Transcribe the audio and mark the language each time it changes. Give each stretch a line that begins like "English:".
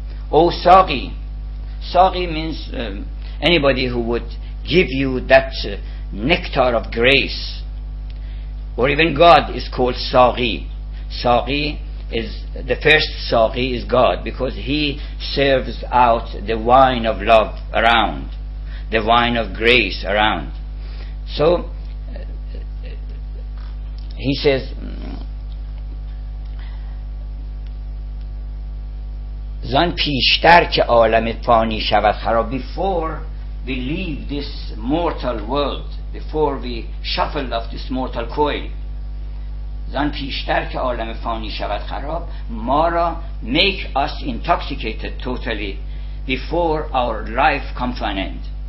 English: او ساقی، ساقی means anybody who would give you that nectar of grace, or even God is called ساقی. ساقی is the first ساقی is God, because he serves out the wine of love around, the wine of grace around. So he says,
Persian: زان پیشتر که عالم فانی شود خراب.
English: Before we leave this mortal world, before we shuffle off this mortal coil,
Persian: زان پیشتر که عالم فانی شود خراب، ما را
English: make us intoxicated totally before our life comes to an end.